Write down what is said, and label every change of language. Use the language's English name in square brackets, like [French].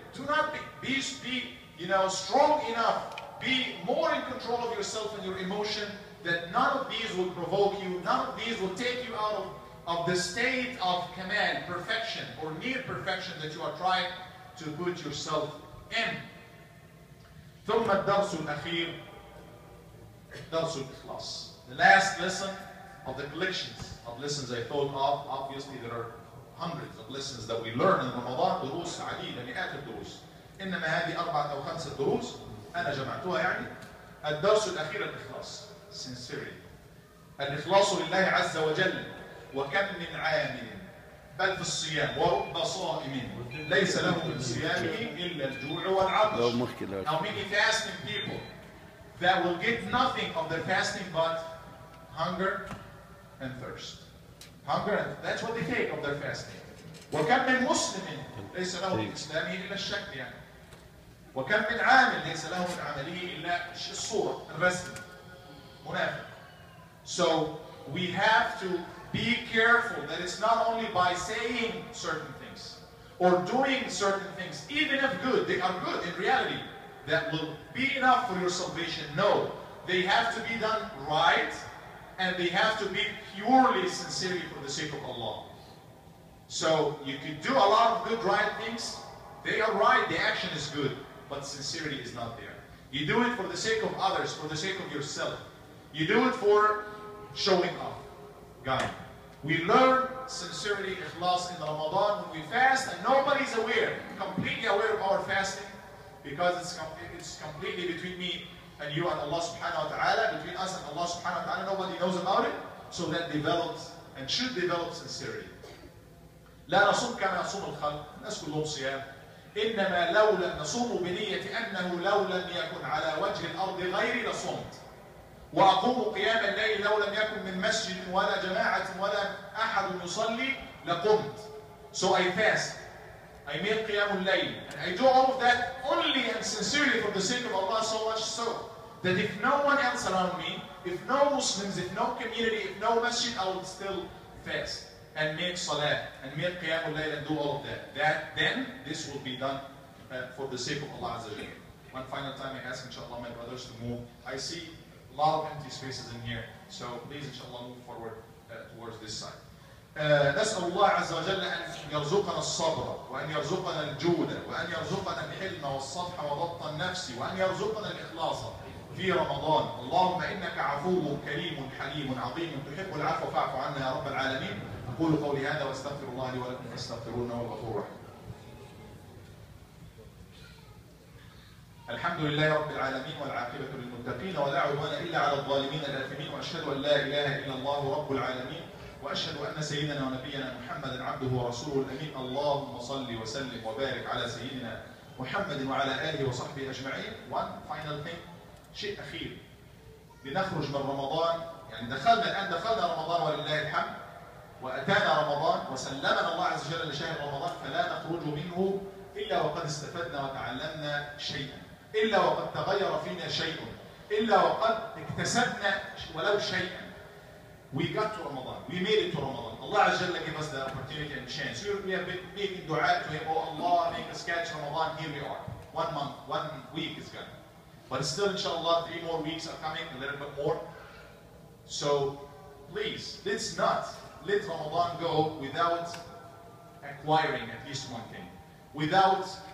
[English] Do not be you know, strong enough. Be more in control of yourself and your emotion, that none of these will provoke you. None of these will take you out of the state of kamal, perfection, or near perfection that you are trying to put yourself in. [Arabic] ثم الدرس الأخير درس الإخلاص. [English] The last lesson of the collections of lessons I thought of. Obviously, there are hundreds of lessons that we learn in Ramadan. [Arabic] دروس عديدة مئات الدروس. إنما هذه أربعة أو خمسة دروس أنا جمعتها يعني. الدرس الأخير الإخلاص. [English] Sincerity. [Arabic] الإخلاص لله عز وجل. وكم من عامل بل في الصيام ورب صائم ليس له من صيامه إلا الجوع والعطش. [English] How many fasting people that will get nothing of their fasting but hunger and thirst. Hunger and thirst. That's what they take of their fasting. [Arabic] وكم من مسلم ليس له من إسلامه إلا الشك يعني. وكم من عامل ليس له من عمله إلا الصورة الرسم منافق. [English] So we have to be careful that it's not only by saying certain things or doing certain things, even if good, they are good in reality, that will be enough for your salvation. No, they have to be done right and they have to be purely sincerely for the sake of Allah. So you can do a lot of good, right things. They are right, the action is good, but sincerity is not there. You do it for the sake of others, for the sake of yourself. You do it for showing off. God. We learn sincerity, ikhlas in Ramadan when we fast, and nobody's aware, completely aware of our fasting, because it's completely between me and you and Allah subhanahu wa ta'ala, between us and Allah subhanahu wa ta'ala, nobody knows about it, so that develops and should develop sincerity. [Arabic] لا نصوم كما يصوم الخلق، الناس كلهم صيام. إنما لولا نصوم بنية أنه لو لم يكن على وجه الأرض غيري لصمت. وأقوم قيام الليل لو لم يكن من مسجد ولا جماعة ولا أحد يصلي لقمت. [English] So I fast. I made قيام الليل. And I do all of that only and sincerely for the sake of Allah so much so that if no one else around me, if no Muslims, if no community, if no masjid, I would still fast and make salah and make قيام الليل and do all of that. That then this will be done for the sake of Allah Azza wa Jalla. One final time I ask inshallah my brothers to move. I see a lot of empty spaces in here. So please, inshallah, move forward towards this side. [Arabic] نسأل الله عز وجل أن يرزقنا الصبر وأن يرزقنا الجودة وأن يرزقنا الحلم والصفح وضبط النفس وأن يرزقنا الإخلاص في رمضان. اللهم إنك عفو كريم حليم عظيم تحب العفو فاعف عنا يا رب العالمين. أقول قولي هذا وأستغفر الله لي ولكم فاستغفرونه وهو الغفور الرحيم. الحمد لله رب العالمين والعاقبة للمتقين ولا عدوان إلا على الظالمين الآثمين. وأشهد أن لا إله إلا الله رب العالمين وأشهد أن سيدنا ونبينا محمد عبده ورسوله الأمين. اللهم صل وسلم وبارك على سيدنا محمد وعلى آله وصحبه أجمعين. [English] One final thing. [Arabic] شيء أخير لنخرج من رمضان يعني دخلنا الآن دخلنا رمضان ولله الحمد وأتانا رمضان وسلمنا الله عز وجل لشهر رمضان فلا نخرج منه إلا وقد استفدنا وتعلمنا شيئا إلا وقد تغير فينا شيء إلا وقد اكتسبنا ولو شيئا. [English] We got to Ramadan. We made it to Ramadan. Allah عز وجل gave us the opportunity and chance. We have been making dua to him. Oh Allah, make us catch Ramadan. Here we are. One month, one week is gone. But still, inshallah, three more weeks are coming, a little bit more. So please, let's not let Ramadan go without acquiring at least one thing. Without